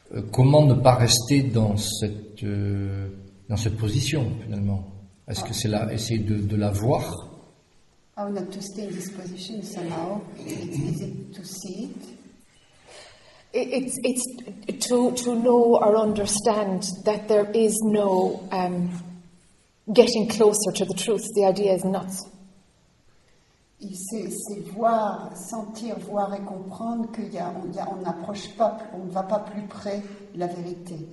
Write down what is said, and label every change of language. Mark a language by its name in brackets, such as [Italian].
[French] Comment ne pas rester dans cette position finalement? Est-ce que c'est là essayer de la voir? [English] Oh, not to stay in this position somehow. Is it to see it? It's to know or understand that there is no getting closer to the truth. The idea is not. [French] C'est voir, sentir, voir et comprendre qu'on n'approche pas, on ne va pas plus près de la vérité.